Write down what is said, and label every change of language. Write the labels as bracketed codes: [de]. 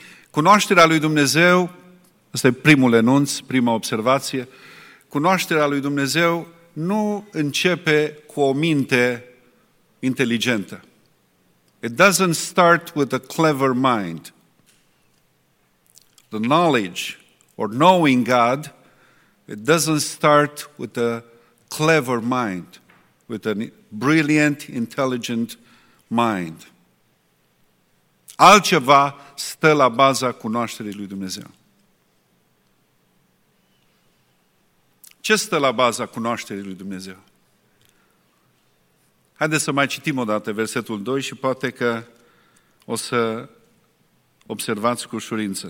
[ro] Cunoașterea lui Dumnezeu, ăsta e primul enunț, prima observație, cunoașterea lui Dumnezeu nu începe cu o minte inteligentă. [en] It doesn't start with a clever mind. The knowledge or knowing God, it doesn't start with a clever mind, with a brilliant, intelligent mind. [ro] Altceva stă la baza cunoașterii lui Dumnezeu. Ce stă la baza cunoașterii lui Dumnezeu? Haideți să mai citim o dată versetul 2 și poate că o să observați cu ușurință.